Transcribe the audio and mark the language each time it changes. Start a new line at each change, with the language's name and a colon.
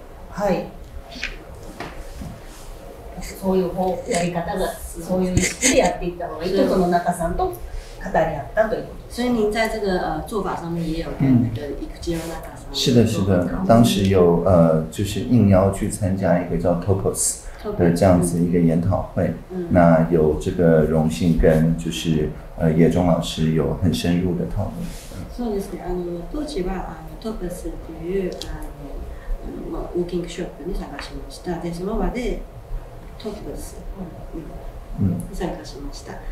Japanese: はい、そういう方やり方がそういう意識でやっていった方がいいと、その中さんと語り合ったということ。
Chinese: 所以您在这个做法上面也有跟那个一个叫那个是的，是的，当时有就是应邀去参加一个叫 Topos 的这样子一个研讨会，那有这个荣幸跟就是野中老师有很深入的讨论。
Japanese: そうですね。当時は Topos というウォーキングショップに参加しました。で、その場で Topos に参加しました。